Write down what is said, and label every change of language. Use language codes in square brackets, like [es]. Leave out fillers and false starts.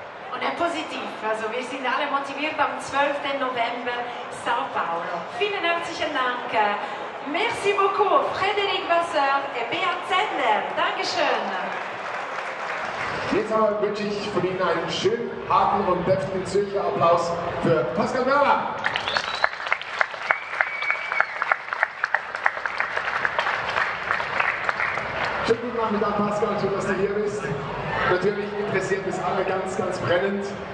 [fr] On est positif, [de] also wir sind alle motiviert am 12. November Sao Paulo. Vielen herzlichen Dank. [fr] Merci beaucoup Frédéric Vasseur et Beat Zender. [de] Dankeschön. Jetzt aber wünsche ich von Ihnen einen schönen, harten und deftigen Zürcher Applaus für Pascal Werner. Schönen guten Nachmittag, Pascal, schön, dass du hier bist. Natürlich interessiert es alle ganz, ganz brennend.